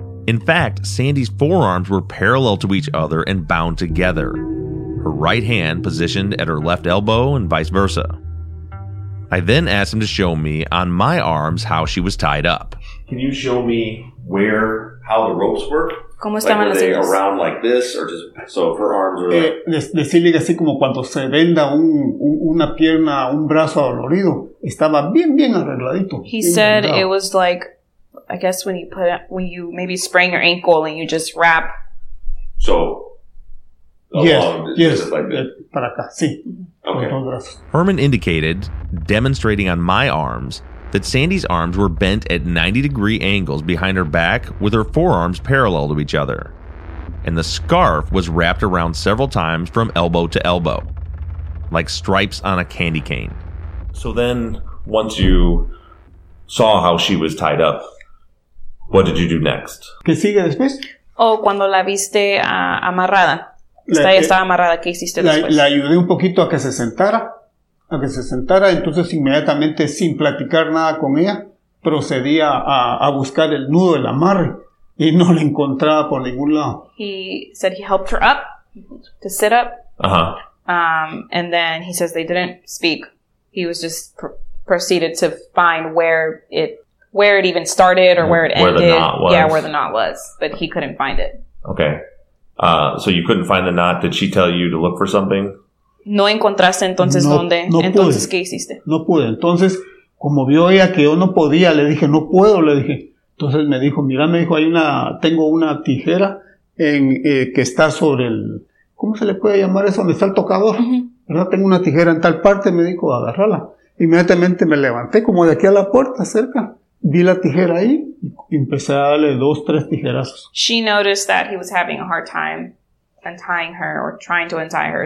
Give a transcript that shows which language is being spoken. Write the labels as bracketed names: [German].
[English] In fact, Sandy's forearms were parallel to each other and bound together, her right hand positioned at her left elbow and vice versa. I then asked him to show me on my arms how she was tied up. Can you show me how the ropes were? [Spanish] ¿Cómo estaban las [English] were they [Spanish] ellas? [English] Around like this or just so if her arms were [Spanish] decirle así como cuando se venda una pierna, un brazo adolorido, estaba bien bien arregladito. [English] He said it was like I guess when you maybe sprain your ankle and you just wrap. So [Spanish] Yes, para acá, sí. [English] Okay. Herman indicated, demonstrating on my arms, that Sandy's arms were bent at 90-degree angles behind her back with her forearms parallel to each other. And the scarf was wrapped around several times from elbow to elbow, like stripes on a candy cane. So then, once you saw how she was tied up, what did you do next? [Spanish] ¿Qué sigue después? Oh, cuando la viste amarrada. Estaba amarrada. ¿Qué hiciste después? La ayudé un poquito a que se sentara. A que se sentara. Entonces, inmediatamente, sin platicar nada con ella, procedí a buscar el nudo del amarre. Y no la encontraba por ningún lado. [English] He said he helped her up, to sit up. Uh-huh. And then he says they didn't speak. He was just proceeded to find where it even started or where it ended. Where the knot was. Yeah, where the knot was. But he couldn't find it. Okay. So you couldn't find the knot. Did she tell you to look for something? [Spanish] No encontraste entonces dónde. No entonces, pude. ¿Qué hiciste? No pude. Entonces, como vio ella que yo no podía, le dije, no puedo, le dije. Entonces me dijo, mira, me dijo, tengo una tijera que está sobre el... ¿Cómo se le puede llamar eso? Donde está el tocador. Uh-huh. ¿Verdad? Tengo una tijera en tal parte, me dijo, agárrala. Inmediatamente me levanté como de aquí a la puerta cerca. Vi la tijera ahí empecé a darle dos, tres tijerazos. [English] She noticed that he was having a hard time untying her or trying to untie her.